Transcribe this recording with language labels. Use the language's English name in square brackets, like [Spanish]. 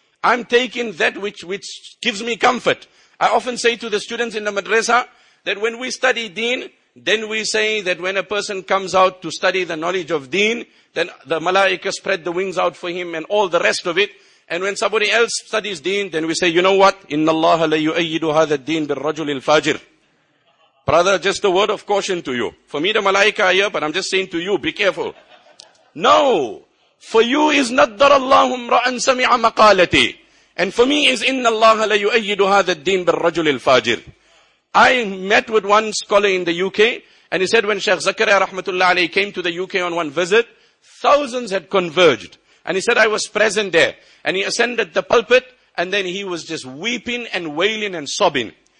[English] I'm taking that which gives me comfort. I often say to the students in the madrasa that when we study deen, then we say that when a person comes out to study the knowledge of deen, then the malaika spread the wings out for him and all the rest of it. And when somebody else studies deen, then we say, you know what? [Arabic] Inna Allah la yu'ayyidu hadha deen bil rajulil fajir. [English] Brother, just a word of caution to you. For me, the malaika are here, but I'm just saying to you, be careful. No! For you is [Arabic] نَدَّرَ اللَّهُ امْرَأً سَمِعَ مَقَالَتِي. [English] And for me is [Arabic] إِنَّ اللَّهَ لَيُؤَيِّدُ هَذَا الدِّينَ بِالرَّجُلِ الْفَاجِرِ. [English] I met with one scholar in the UK, And he said when Sheikh Zakaria Rahmatullah Ali came to the UK on one visit, thousands had converged. And he said, I was present there. And he ascended the pulpit, and then he was just weeping and wailing and sobbing.